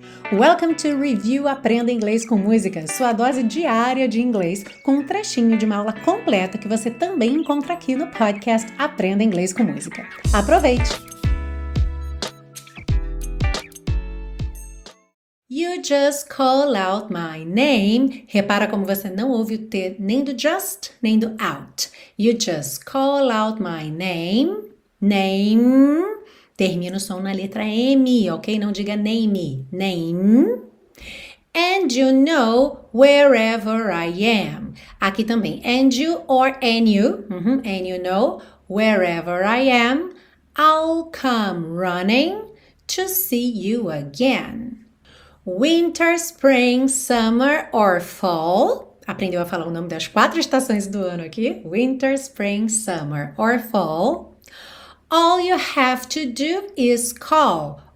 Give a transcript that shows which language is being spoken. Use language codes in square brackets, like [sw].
[en] Welcome to [pt] Review Aprenda Inglês com Música, sua dose diária de inglês, com um trechinho de uma aula completa que você também encontra aqui no podcast Aprenda Inglês com Música. Aproveite! [en] You just call out my name. [pt] Repara como você não ouve o T nem do just, nem do out. [en] You just call out my name. [pt] Name. Termina o som na letra M, ok? Não diga name. Name. [en] And you know wherever I am. [pt] Aqui também. [en] And you or and you. And you know wherever I am. I'll come running to see you again. Winter, spring, summer or fall. [pt] Aprendeu a falar o nome das quatro estações do ano aqui. [en] Winter, spring, summer or fall. All you have to do is call.